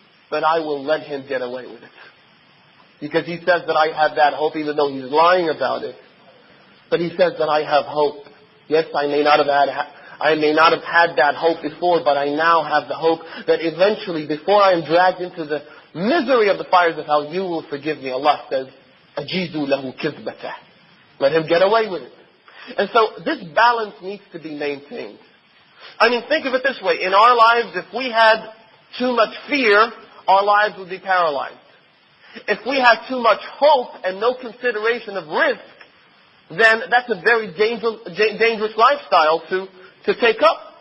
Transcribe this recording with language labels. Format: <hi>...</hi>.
<en>But I will let him get away with it. Because he says that I have that hope, even though he's lying about it. But he says that I have hope. Yes, I may not have had that hope before, but I now have the hope that eventually, before I am dragged into the misery of the fires of hell, you will forgive me. Allah says,</en> <ar>أَجِيزُوا لَهُ كِذْبَتَهُ.</ar> <en>Let him get away with it. And so this balance needs to be maintained. I mean, think of it this way. In our lives, if we had too much fear, our lives would be paralyzed. If we have too much hope and no consideration of risk, then that's a very dangerous lifestyle to take up.</en>